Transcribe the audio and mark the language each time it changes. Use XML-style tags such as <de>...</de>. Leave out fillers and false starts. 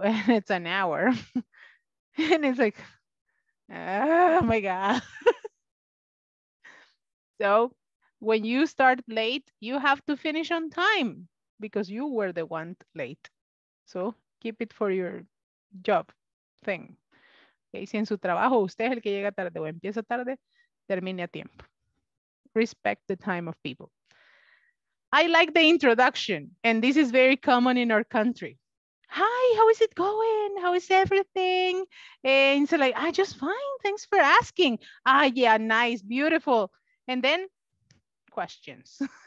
<en>And it's an hour. And it's like, oh my God. So when you start late, you have to finish on time because you were the one late. So keep it for your job thing.</en> <es>Okay, si en su trabajo usted es el que llega tarde o empieza tarde, termine a tiempo.</es> <en>Respect the time of people. I like the introduction, and this is very common in our country. Hi, how is it going? How is everything? And so like, just fine, thanks for asking. Ah, yeah, nice, beautiful. And then questions.</en>